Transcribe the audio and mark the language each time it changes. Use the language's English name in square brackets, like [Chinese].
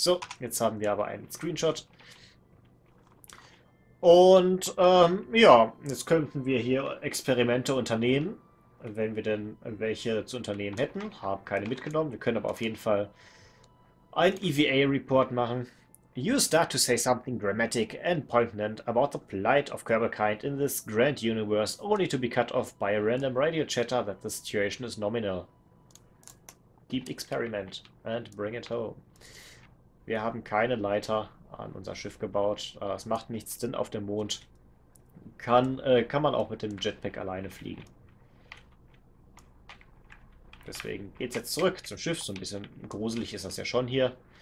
[German] So, jetzt haben wir aber einen Screenshot. Und ja, jetzt könnten wir hier Experimente unternehmen, wenn wir denn welche zu unternehmen hätten. Hab keine mitgenommen. Wir können aber auf jeden Fall ein EVA-Report machen. [English] You start to say something dramatic and poignant about the plight of Kerberkind in this grand universe, only to be cut off by a random radio chatter that the situation is nominal. Keep experiment and bring it home. [German] Wir haben keine Leiter an unser Schiff gebaut. Es macht nichts, denn auf dem Mond kann man auch mit dem Jetpack alleine fliegen. Deswegen geht's jetzt zurück zum Schiff. So ein bisschen gruselig ist das ja schon hier.